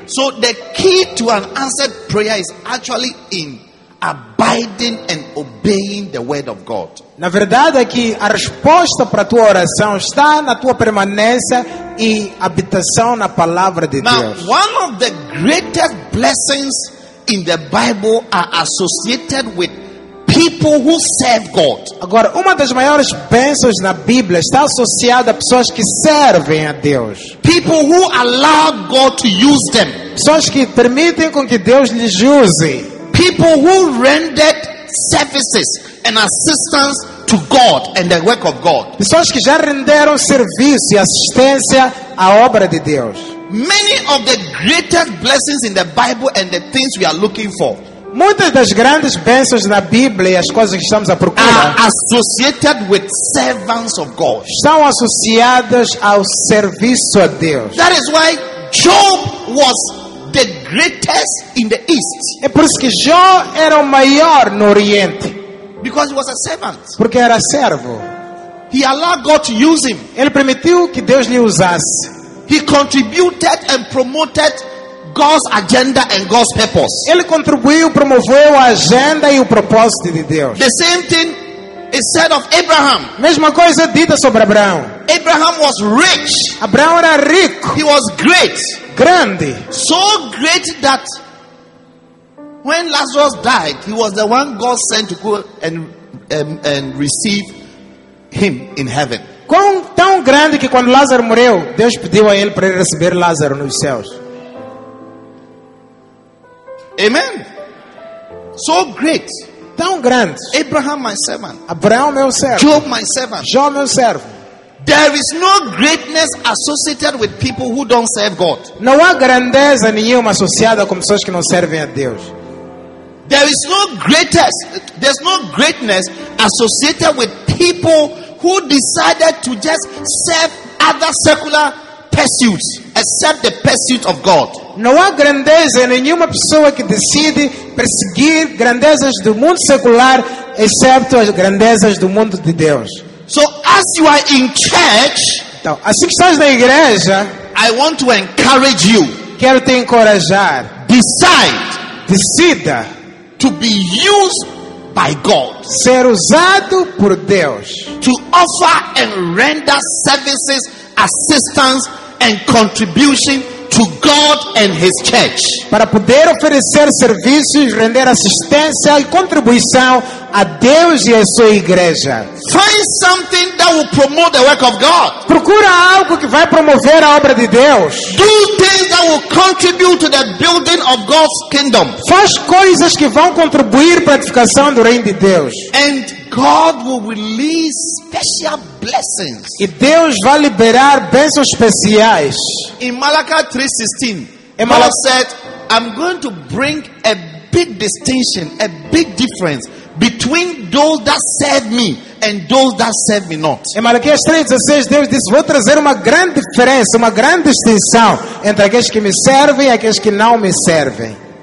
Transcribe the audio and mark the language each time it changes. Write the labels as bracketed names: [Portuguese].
[English] So the key to an answered prayer is actually in abiding and obeying the word of God. [Portuguese] Na verdade é que a resposta para a tua oração está na tua permanência e habitação na palavra de [English] Now, [Portuguese] Deus. [English] Now, one of the greatest blessings in the Bible are associated with people who serve God. [Portuguese] Agora, uma das maiores bênçãos na Bíblia está associada a pessoas que servem a Deus. [English] People who allow God to use them. [Portuguese] Pessoas que permitem com que Deus lhes use. [English] People who render services and assistance to God and the work of God. [Portuguese] Pessoas que já renderam serviço e assistência à obra de Deus. [English] Many of the greatest blessings in the Bible and the things we are looking for. [Portuguese] Muitas das grandes bênçãos na Bíblia e as coisas que estamos à procura [English] associated with servants of God. [Portuguese] Estão associadas ao serviço a Deus. [English] That is why Job was the greatest in the East. [Portuguese] É por isso que Jó era o maior no Oriente. [English] Because he was a servant. [Portuguese] Porque era servo. [English] He allowed God to use him. [Portuguese] Ele permitiu que Deus lhe usasse. [English] He contributed and promoted God's agenda and God's purpose. [Portuguese] Ele contribuiu, promoveu a agenda e o propósito de Deus. [English] The same thing is said of Abraham. [Portuguese] Mesma coisa dita sobre Abraão. [English] Abraham was rich. [Portuguese] Abraão era rico. [English] He was great. [Portuguese] Grande. [English] So great that when Lazarus died, he was the one God sent to go and receive him in heaven. [Portuguese] Quão tão grande que quando Lázaro morreu, Deus pediu a ele para receber Lázaro nos céus. [English] Amen. So great. [Portuguese] Tão grande. [English] Abraham, my servant. [Portuguese] Abraão, meu servo. [English] Job, my servant. [Portuguese] Jó, meu servo. [English] There is no greatness associated with people who don't serve God. [Portuguese] Não há grandeza nenhuma associada com pessoas que não servem a Deus. [English] There is no greatness. There's no greatness associated with people who decided to just serve other secular pursuits except the pursuit of God. [Portuguese] Não há grandeza em nenhuma pessoa que decide perseguir grandezas do mundo secular exceto as grandezas do mundo de Deus. [English] So as you are in church, [Portuguese] então, assim que estás na igreja, [English] I want to encourage you. [Portuguese] Quero te encorajar. Decida [English] to be used by God. [Portuguese] Ser usado por Deus. [English] To offer and render services, assistance and contribution to God and His church. [Portuguese] Para poder oferecer serviços, render assistência e contribuição a Deus e a sua igreja. [English] Find something that will promote the work of God. [Portuguese] Procura algo que vai promover a obra de Deus. [English] Do things that will contribute to the building of God's kingdom. [Portuguese] Faz coisas que vão contribuir para a edificação do reino de Deus. [English] And God will release special blessings. [Portuguese] E Deus vai liberar bênçãos especiais. [English] In Malachi 3:16, God said, I'm going to bring a big distinction, a big difference between those that serve me and those that serve me not. [Portuguese] Em Malaquias 3:16, Deus disse, vou trazer uma grande diferença, uma grande distinção entre aqueles que me servem e aqueles que não me servem.